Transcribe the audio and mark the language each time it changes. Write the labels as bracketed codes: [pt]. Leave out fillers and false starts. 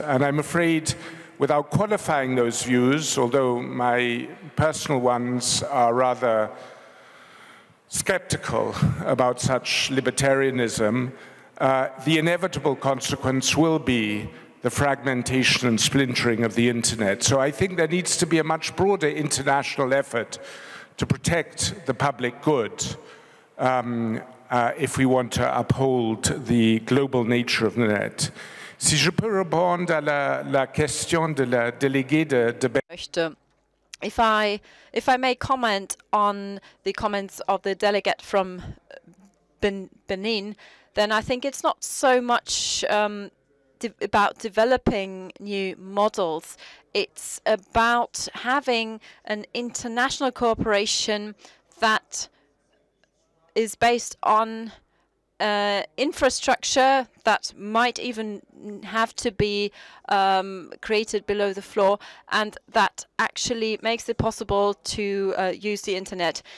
[en] And I'm afraid, without qualifying those views, although my personal ones are rather skeptical about such libertarianism, the inevitable consequence will be the fragmentation and splintering of the internet. So I think there needs to be a much broader international effort to protect the public good if we want to uphold the global nature of the net. [fr] Si je peux répondre à la question de la déléguée de Belgique. [en] If I may comment on the comments of the delegate from Benin, then I think it's not so much about developing new models. It's about having an international cooperation that is based on infrastructure that might even have to be created below the floor, and that actually makes it possible to use the internet.